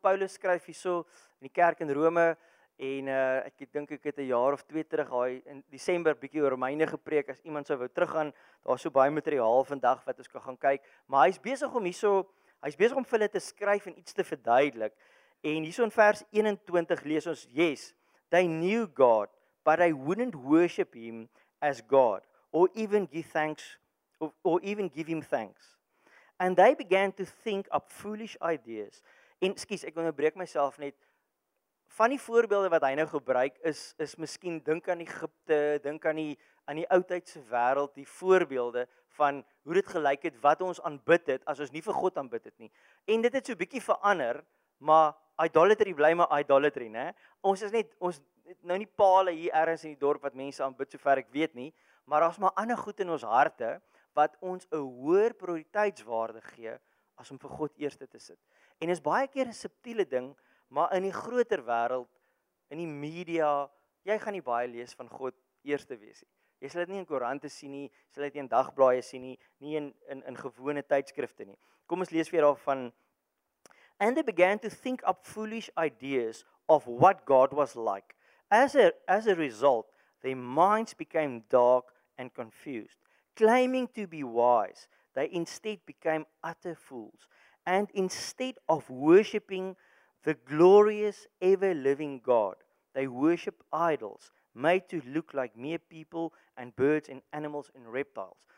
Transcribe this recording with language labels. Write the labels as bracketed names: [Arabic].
[Afrikaans] Paulus skryf hierso in die kerk in Rome en ek dink ek het 'n jaar of 2 terug daai in Desember bietjie oor Romeine gepreek. As iemand sou wou teruggaan, daar's so baie materiaal vandag wat ons kan gaan kyk. Maar hy's besig om hierso vir hulle te skryf en iets te verduidelik. En hierso in vers 21 lees ons, [English] yes, they knew God, but they wouldn't worship him as God or even give thanks or even give him thanks. And they began to think up foolish ideas. [Afrikaans] En skus, ek onderbreek myself net. van die voorbeelde wat hy nou gebruik is miskien dink aan Egipte, dink aan die oudtydse wêreld, die voorbeelde van hoe dit gelyk het wat ons aanbid het as ons nie vir God aanbid het nie. En dit het so 'n bietjie verander, maar idolatry bly maar idolatry, né? Ons is net ons nou nie palle hier ergens in die dorp wat mense aanbid sover ek weet nie, maar daar's maar ander goed in ons harte wat ons 'n hoër prioriteitswaarde gee as om vir God eerste te sit. En is baie keer 'n subtiele ding, maar in die groter wêreld, in die media, jy gaan nie baie lees van God eerste wees nie. Jy sal dit nie in koerante sien nie, sal dit nie in dagblaaie sien nie, nie in gewone tydskrifte nie. Kom ons lees weer daarvan. [English] And they began to think up foolish ideas of what God was like. As a result, their minds became dark and confused. Claiming to be wise, they instead became utter fools. And instead of worshipping the glorious ever-living God, they worship idols made to look like mere people and birds and animals and reptiles.